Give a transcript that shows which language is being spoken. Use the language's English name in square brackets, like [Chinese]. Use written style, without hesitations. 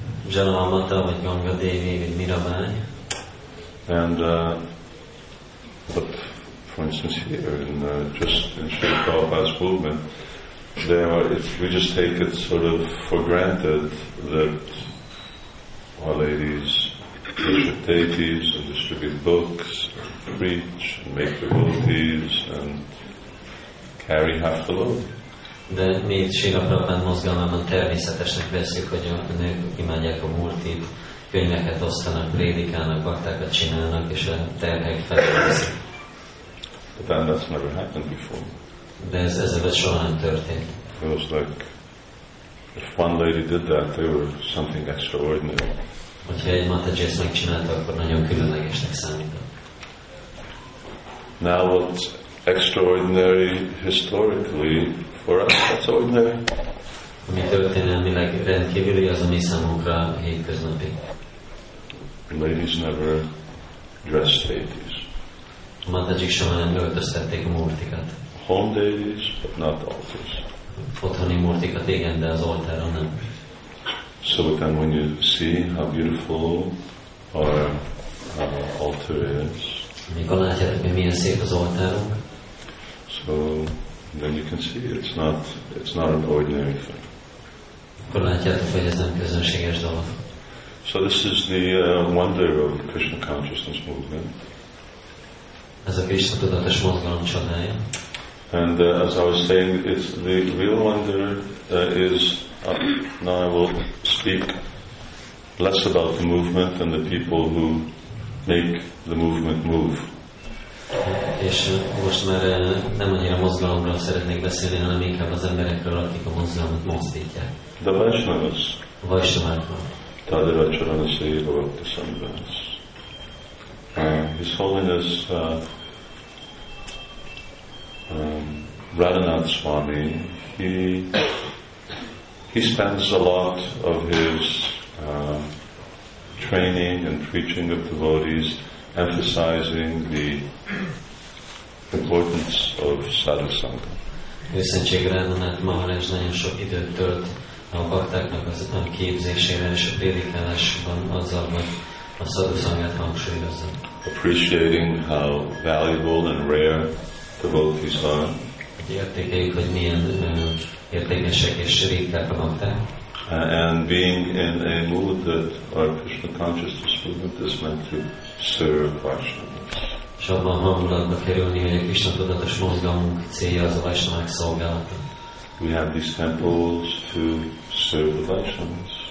[Hungarian] Janamata vagy Ganga Devi vagy Mirabai. [English] And but for instance here in just in Sri Prabhupada's movement, there are, if we just take it sort of for granted that our ladies worship deities and distribute books and preach and make devotees and carry half the load. [Hungarian] De mi Srila Prabhupada mozgalmában természetesnek veszük, hogy a nők imádják a multit, könyveket osztanak, prédikálnak, baktákat csinálnak, és a terhek felveszik. [English] But then that's never happened before. [Hungarian] De ez ezzel soha nem történt. [English] It was like, if one lady did that, they were something extraordinary. [Hungarian] Hogyha egy Mataji ezt megcsinálta, akkor nagyon különlegesnek számított. [English] Now what's extraordinary historically, for us, that's ordinary. [Hungarian] Ami történelmileg rendkívüli, az a mi számunkra hétköznapi. [English] Ladies never dressed deities. [Hungarian] Mataji soha nem öltöztették a murtikat. [English] Home deities, but not altars. [Hungarian] Otthoni murtikat, igen, de az oltáron nem. [English] So then when you see how beautiful our altar is, [Hungarian] mikor látjátok, hogy milyen szép az oltárunk, [English] so then you can see it's not an ordinary thing. [Hungarian] Akkor látjátok, hogy ez nem közönséges dolog. [English] So this is the wonder of the Krishna consciousness movement. [Hungarian] Ez a Krishna tudatos mozgalom csodája. [English] And as I was saying, it's the real wonder is, now I will speak less about the movement and the people who make the movement move. [Hungarian] És most már nem annyira mozgalomról szeretnék beszélni, hanem inkább az emberekről, akik a mozgalmat mozdítják. [English] The Vaishnavas. [Hungarian] A Vaishnavákról. Tadira Charana Sri Bhakti Sandhas. [English] His Holiness Radhanath Swami, he spends a lot of his training and preaching of devotees emphasizing the importance of sadhu sangha. [Hungarian] Őszentség Radhanath Maharaj nagyon sok időt tölt a baktáknak az a képzésére és a prédikálásban azzal, hogy a sadhu sanghát hangsúlyozza. [English] Appreciating how valuable and rare devotees are. [Hungarian] Értékeljük, hogy milyen értékesek és ritkák a bakták. [English] And being in a mood that our Krishna consciousness movement is meant to serve Vaishnavas. [Hungarian] És abban a hangulatba kerülni, hogy a Krishna tudatos mozgalmunk célja az a Vaishnavák szolgálata. [English] We have these temples to serve the Vaishnavas.